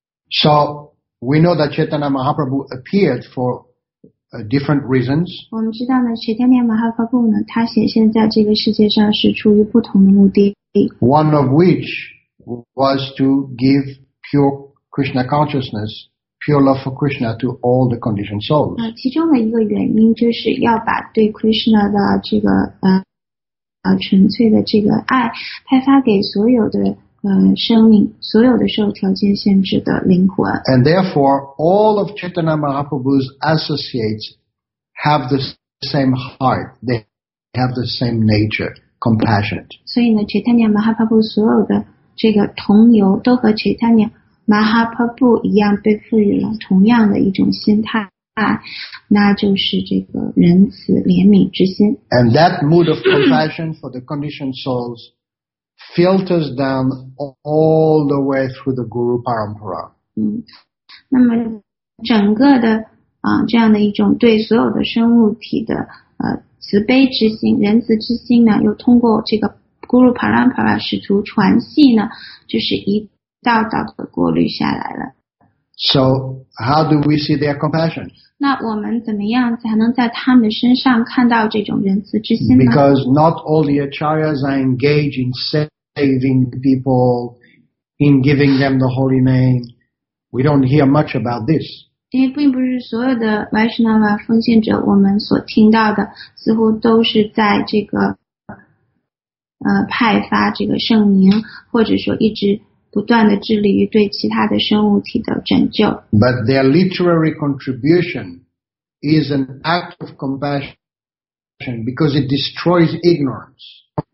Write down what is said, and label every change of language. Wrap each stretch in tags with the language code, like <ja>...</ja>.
<en>So we know that Chaitanya Mahaprabhu appeared for different reasons.</en> <zh>我们知道呢 ，Chaitanya Mahaprabhu 呢，他显现在这个世界上是出于不同的目的。</zh> <en>One of which was to give pure Krishna consciousness, pure love for Krishna to all the conditioned souls.</en> <zh>其中的一个原因就是要把对 Krishna 的这个纯粹的这个爱派发给所有的生命，所有的受条件限制的灵魂。</zh> <en>And therefore, all of Chaitanya Mahaprabhu's associates have the same heart, they have the same nature, compassionate.</en> <zh>所以呢，切坦尼马哈帕布所有的这个同游都和切坦尼马哈帕布一样，被赋予了同样的一种心态。那就是这个仁慈怜悯之心。</zh> <en>And that mood of compassion for the conditioned souls filters down all the way through the Guru Parampara.</en> <zh>那么整个的这样的一种对所有的生物体的慈悲之心、仁慈之心呢，又通过这个 Guru Parampara 使徒传系呢，就是一道道的过滤下来了。</zh> <en>So, how do we see their compassion?</en> <zh>那我们怎么样才能在他们身上看到这种仁慈之心呢？</zh> <en>Because not all the acharyas are engaged in saving people, in giving them the holy name. We don't hear much about this.</en> <zh>因为并不是所有的 Vaishnava 奉献者，我们所听到的似乎都是在这个派发这个圣名，或者说一直不断地致力于对其他的生物体的拯救。</zh> <en>But their literary contribution is an act of compassion because it destroys ignorance.</en>